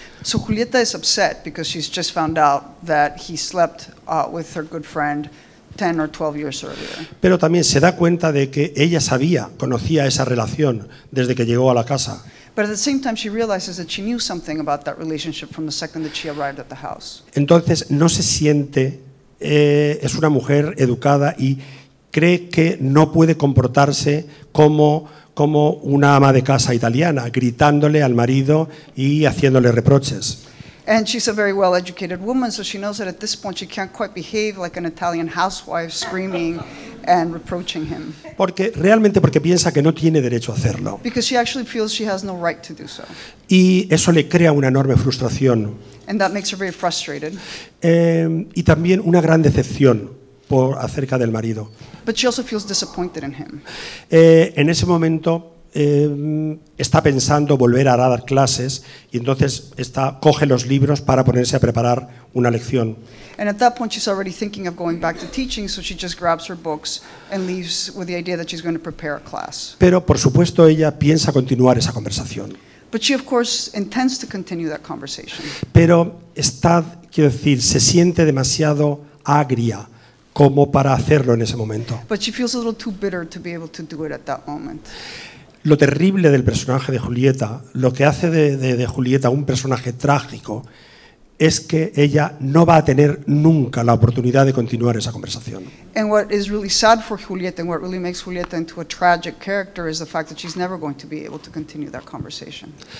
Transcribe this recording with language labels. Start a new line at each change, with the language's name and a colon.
English: So Julieta is upset because she's just found out that he slept with her good friend 10 or 12 years earlier.
Spanish: Pero también se da cuenta de que ella sabía, conocía esa relación desde que llegó a la casa.
English: But at the same time she realizes that she knew something about that relationship from the second that she arrived at the house.
Spanish: Entonces no se siente, es una mujer educada y cree que no puede comportarse como una ama de casa italiana, gritándole al marido y haciéndole reproches.
English: And she's a very well-educated woman, so she knows that at this point she can't quite behave like an Italian housewife screaming and reproaching him.
Spanish: Porque realmente porque piensa que no tiene derecho a hacerlo.
English: Because she actually feels she has no right to do so.
Spanish: Y eso le crea una enorme frustración.
English: And that makes her very frustrated.
Spanish: Y también una gran decepción por acerca del marido.
English: But she also feels disappointed in him.
Spanish: En ese momento está pensando volver a dar clases y entonces está coge los libros para ponerse a preparar una lección.
English: And at that point she's already thinking of going back to teaching, so she just grabs her books and leaves with the idea that she's going to prepare a class.
Spanish: Pero por supuesto ella piensa continuar esa conversación.
English: But she of course intends to continue that conversation.
Spanish: Pero está, quiero decir, se siente demasiado agria como para hacerlo en ese momento.
English: But she feels a little too bitter to be able to do it at that moment.
Spanish: Lo terrible del personaje de Julieta, lo que hace de Julieta un personaje trágico, es que ella no va a tener nunca la oportunidad de continuar esa conversación.
English: And what is really sad for Julieta, and what really makes Julieta into a tragic character, is the fact that she's never going to be able to continue that conversation.